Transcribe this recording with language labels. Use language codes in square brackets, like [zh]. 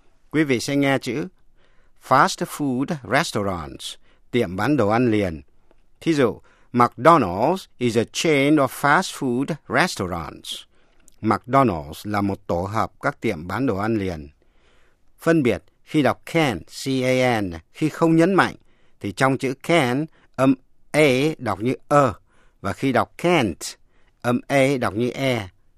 [vi] Quý vị sẽ nghe chữ fast food restaurants, tiệm bán đồ ăn liền. [en] Thí dụ, McDonald's is a chain of fast food restaurants. [vi] McDonald's là một tổ hợp các tiệm bán đồ ăn liền. Phân biệt, khi đọc can, C-A-N, khi không nhấn mạnh, thì trong chữ can, âm A đọc như ơ, và khi đọc can't, âm A đọc như e.